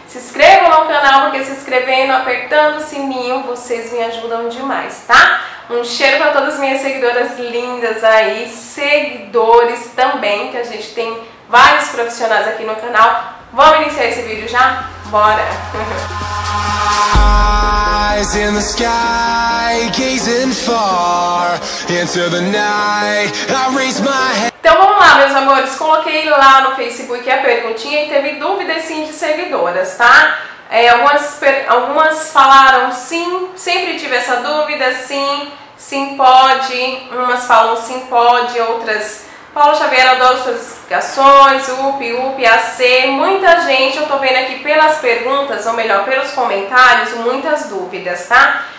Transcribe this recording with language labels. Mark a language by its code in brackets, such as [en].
[pt] Se inscrevam no canal, porque se inscrevendo, apertando o sininho, vocês me ajudam demais, tá? Um cheiro para todas as minhas seguidoras lindas aí, seguidores também, que a gente tem vários profissionais aqui no canal. Vamos iniciar esse vídeo já? Bora! [en] Eyes in the sky, gazing far into the night, I raise my head. [pt] Então vamos lá, meus amores, coloquei lá no Facebook a perguntinha e teve dúvidas sim de seguidoras, tá? Algumas falaram sim, sempre tive essa dúvida, sim, sim pode, umas falam sim pode, outras... Paulo Xavier, adoro suas explicações, up, ac, muita gente, eu tô vendo aqui pelas perguntas, ou melhor, pelos comentários, muitas dúvidas, tá?